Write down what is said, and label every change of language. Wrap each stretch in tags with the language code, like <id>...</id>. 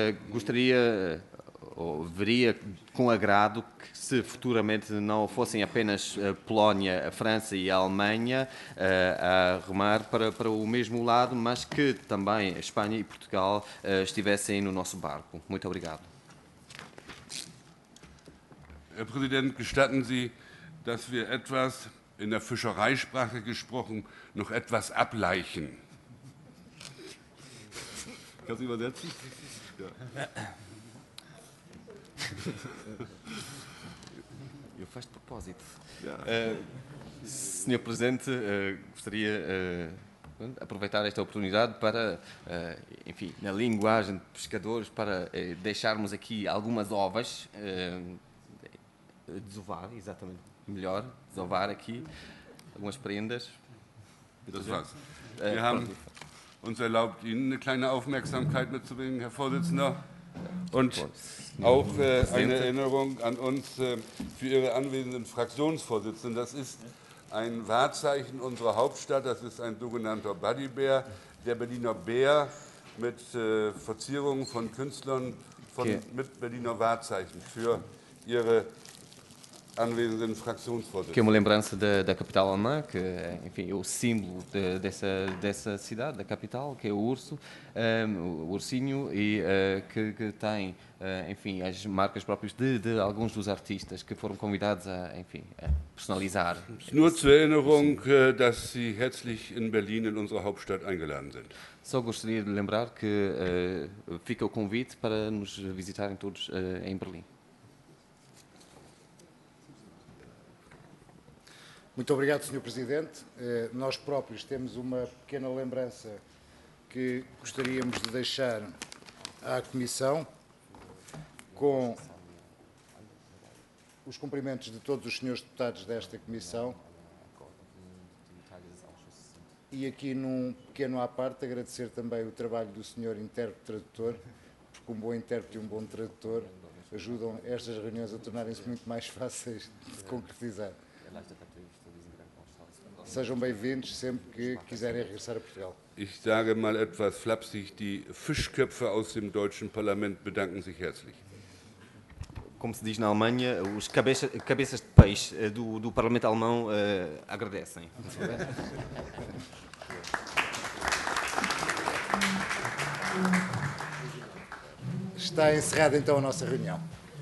<pt>Gostaria, ou veria com agrado, que se futuramente não fossem apenas a Polónia, a França e a Alemanha a remar para o mesmo lado, mas que também a Espanha e Portugal estivessem no nosso barco. Muito obrigado.</pt> <de>Herr Präsident, gestatten Sie, dass wir etwas, in der Fischereisprache gesprochen, noch etwas ableichen. Kannst du übersetzen? Ja.</de> <pt>Eu faço de propósito. Senhor Presidente, gostaria de aproveitar esta oportunidade para, enfim, na linguagem de pescadores, para deixarmos aqui algumas ovas, desovar, exatamente, melhor, desovar aqui algumas prendas.</pt> <de>Das war's. Wir haben uns erlaubt, Ihnen eine kleine Aufmerksamkeit mitzubringen, Herr Vorsitzender. Und auch eine Erinnerung an uns für Ihre anwesenden Fraktionsvorsitzenden. Das ist ein Wahrzeichen unserer Hauptstadt. Das ist ein sogenannter Buddybär, der Berliner Bär mit Verzierungen von Künstlern von, okay, mit Berliner Wahrzeichen für Ihre anwesenden Fraktionsvorsitzenden.</de> <pt>Que é uma lembrança da capital alemã, que enfim, é o símbolo dessa cidade, da capital, que é o urso, o ursinho, e que tem, enfim, as marcas próprias de alguns dos artistas que foram convidados a, enfim, a personalizar.</pt> <de>Nur zur Erinnerung, dass Sie herzlich in Berlin, in unserer Hauptstadt, eingeladen sind.</de> <pt>Só gostaria de lembrar que fica o convite para nos visitarem todos em Berlim. Muito obrigado, Sr. Presidente. Nós próprios temos uma pequena lembrança que gostaríamos de deixar à Comissão, com os cumprimentos de todos os senhores deputados desta Comissão. E aqui, num pequeno à parte, agradecer também o trabalho do Sr. Intérprete Tradutor, porque um bom intérprete e um bom tradutor ajudam estas reuniões a tornarem-se muito mais fáceis de concretizar. Sejam bem-vindos sempre que quiserem regressar a Portugal.</pt> <de>Ich sage mal etwas flapsig, die Fischköpfe aus dem deutschen Parlament bedanken sich herzlich.</de> <pt>Como se diz na Alemanha, os cabeças de peixe do Parlamento Alemão agradecem. Está encerrada então a nossa reunião.</pt>